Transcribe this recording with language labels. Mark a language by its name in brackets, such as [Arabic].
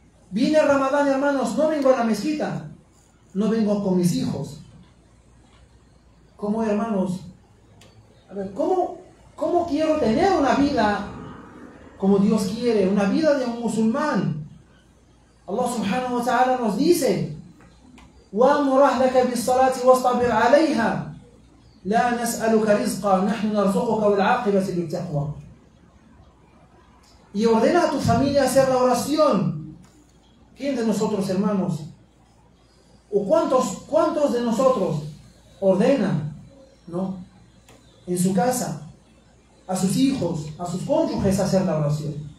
[Spanish] Viene Ramadán, hermanos, no vengo a la mezquita, no vengo con mis hijos. ¿Cómo, hermanos? A ver, ¿cómo quiero tener una vida como Dios quiere, una vida de un musulmán? [Arabic] Allah subhanahu wa ta'ala [Spanish] nos dice, [Arabic] وَأْمُرْ أَهْلَكَ بِالصَّلَاةِ وَاصْطَبِرْ عَلَيْهَا لا نسألك رزقا نحن نرزقك والعاقبة للتقوى. [Spanish] Y ordena a tu familia hacer la oración. ¿Quién de nosotros, hermanos? ¿O cuántos de nosotros ordena, no? En su casa, a sus hijos, a sus cónyuges hacer la oración.